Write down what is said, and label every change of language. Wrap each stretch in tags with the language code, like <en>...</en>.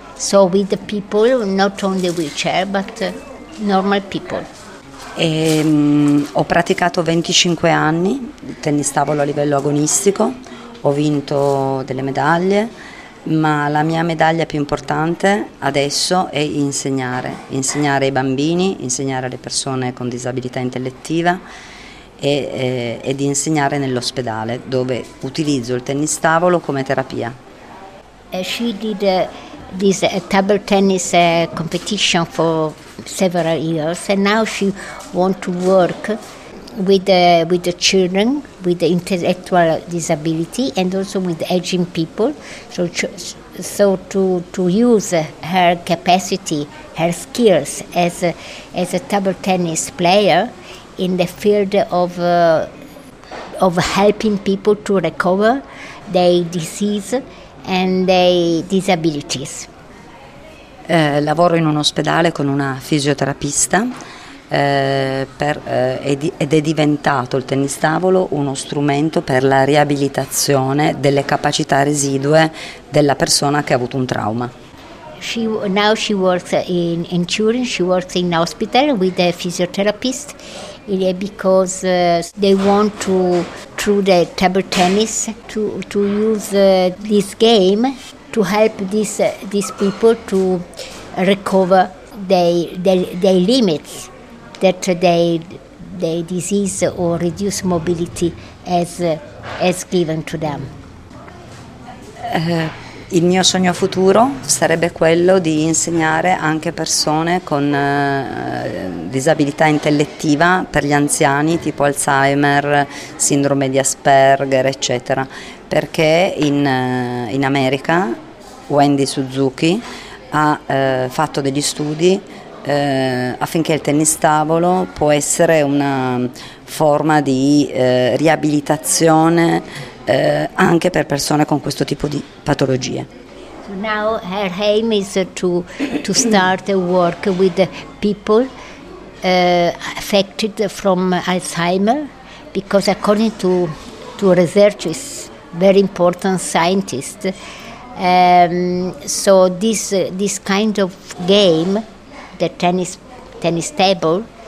<en>So with the people, not only wheelchair, but normal people.</en> <it>E, ho praticato 25 anni di tennis tavolo a livello agonistico, ho vinto delle medaglie, ma la mia medaglia più importante adesso è insegnare ai bambini, insegnare alle persone con disabilità intellettiva e di insegnare nell'ospedale, dove utilizzo il tennis tavolo come terapia.</it> <en>She did this table tennis competition for several years, and now she wants to work with the children with the intellectual disability and also with aging people, so to use her capacity, her skills as a table tennis player in the field of helping people to recover their disease and their disabilities.</en> <it>Lavoro in un ospedale con una fisioterapista ed è diventato il tennis tavolo uno strumento per la riabilitazione delle capacità residue della persona che ha avuto un trauma.</it> <en>Now she works in Turin, she works in hospital with a physiotherapist. It is because they want to, through the table tennis, to use this game to help these people to recover their limits that their disease or reduced mobility has given to them.</en> <it>Il mio sogno futuro sarebbe quello di insegnare anche persone con disabilità intellettiva per gli anziani, tipo Alzheimer, sindrome di Asperger, eccetera, perché in America Wendy Suzuki ha fatto degli studi affinché il tennis tavolo può essere una forma di riabilitazione anche per persone con questo tipo di patologie.</it> <en>So now her aim is to start a work with people affected from Alzheimer, because according to researchers, very important scientists, so this kind of game, the tennis table,</en>